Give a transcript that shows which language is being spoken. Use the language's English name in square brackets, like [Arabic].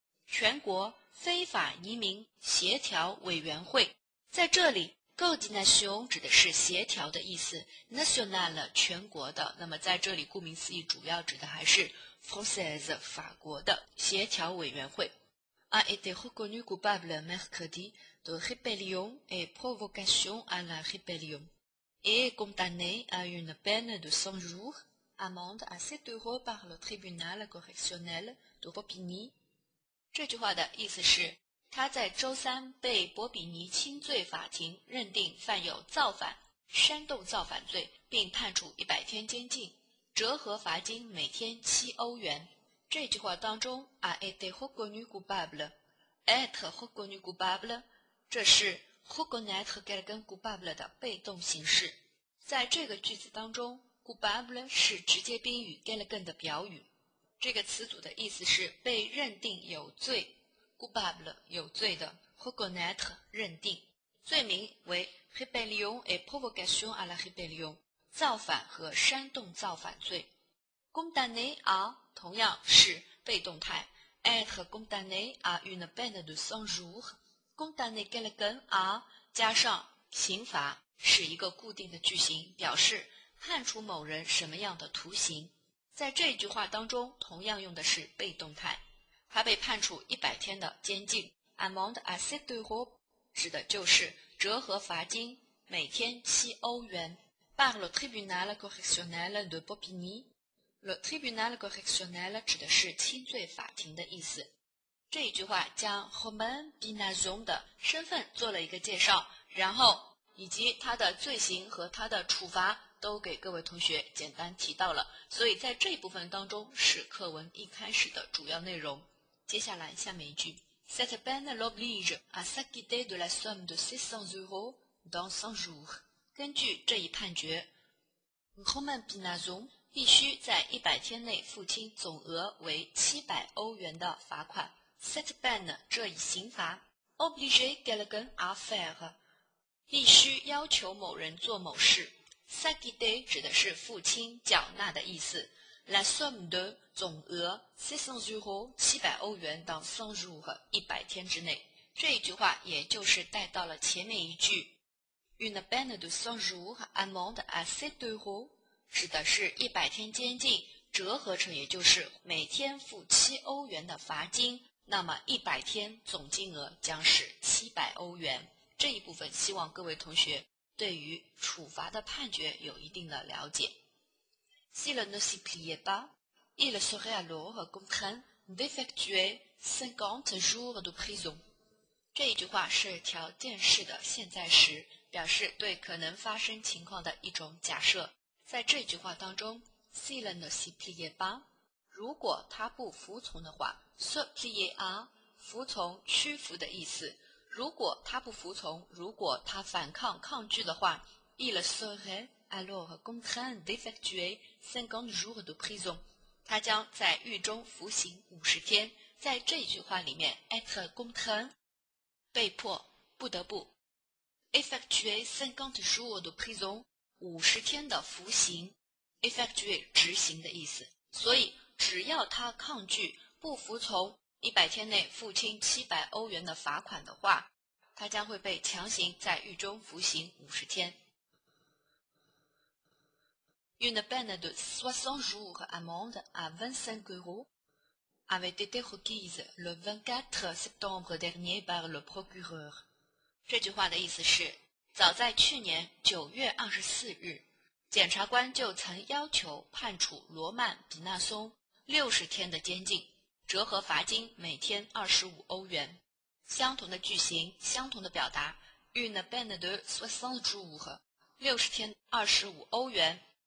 [Chinese] 全国非法移民协调委员会。在这里coordination 指的是协调的意思， national 全国的，那么在这里顾名思义主要指的还是 française 法国的协调委员会。 [French] a été reconnu coupable mercredi de rébellion et provocation à la rébellion et condamné à une peine de 100 jours amende à 7 euros par le tribunal correctionnel de Bobigny。 [Chinese] 这句话的意思是他在周三被博比尼轻罪法庭认定犯有造反、煽动造反罪，并判处100天监禁，折合罚金每天7欧元。这句话当中 [French] a été reconnu coupable， être reconnu coupable， [Chinese] 这是 [French] reconnaître quelqu'un coupable [Chinese] 的被动形式。在这个句子当中， coupable 是直接宾语 quelqu'un 的表语，这个词组的意思是被认定有罪，coupable 有罪的， reconnaître 认定，罪名为 [French] rébellion et provocation à la rébellion， [Chinese] 造反和煽动造反罪。 [French] condamné à [Chinese] 同样是被动态， [French] être condamné à une peine de 100 jours， condamné quelqu'un à [Chinese] 加上刑罚是一个固定的句型，表示判处某人什么样的徒刑。在这句话当中同样用的是被动态，他被判处100天的监禁。 [French] amende à 7 euros [Chinese] 指的就是折合罚金每天7欧元。 [French] par le tribunal correctionnel de Bobigny， le tribunal correctionnel [Chinese] 指的是轻罪法庭的意思。这一句话将 Romain Binazon 的身份做了一个介绍，然后以及他的罪行和他的处罚都给各位同学简单提到了，所以在这一部分当中是课文一开始的主要内容。接下来下面一句， [French] Cette peine l'oblige à s'acquitter de la somme de 600 euros dans 100 jours。 [Chinese] 根据这一判决， Romain Binazon 必须在100天内付清总额为700欧元的罚款。 [French] Cette peine [Chinese] 这一刑罚 [French] oblige quelqu'un à faire， [Chinese] 必须要求某人做某事。 Sacquitter 指的是付清、缴纳的意思。 [French] La somme de [Chinese] 总额 [French] 600 euros [Chinese] 700欧元 [French] dans 100 jours [Chinese] 100天之内。这一句话也就是带到了前面一句。 [French] Une peine de 100 jours amende à 7 euros [Chinese] 指的是100天监禁，折合成也就是每天付7欧元的罚金，那么100天总金额将是700欧元。这一部分希望各位同学对于处罚的判决有一定的了解。 [French] S'il ne s'y pliait pas, il serait alors contraint d'effectuer 50 jours de prison。 [Chinese] 这一句话是条件式的现在时，表示对可能发生情况的一种假设。在这句话当中 [French] S'il ne s'y pliait pas, [Chinese] 如果他不服从的话， [French] se plier à [Chinese] 服从、屈服的意思，如果他不服从，如果他反抗抗拒的话， [French] il serait alors contraint d'effectuer 50 jours de prison， [Chinese] 他将在狱中服刑50天。在这句话里面 [French] être contraint [Chinese] 被迫、不得不， [French] effectuer 50 jours de prison [Chinese] 50天的服刑， effectuer 执行的意思。所以只要他抗拒不服从100天内付清700欧元的罚款的话，他将会被强行在狱中服刑50天。 [French] Une peine de 60 jours amende à 25 euros avait été requise le 24 septembre dernier par le procureur. [Chinese] 这句话的意思是，早在去年9月24日，检察官就曾要求判处罗曼·比纳松60天的监禁，折合罚金每天25欧元。相同的句型，相同的表达 , [French] une peine de 60 jours, [Chinese] 60天25欧元。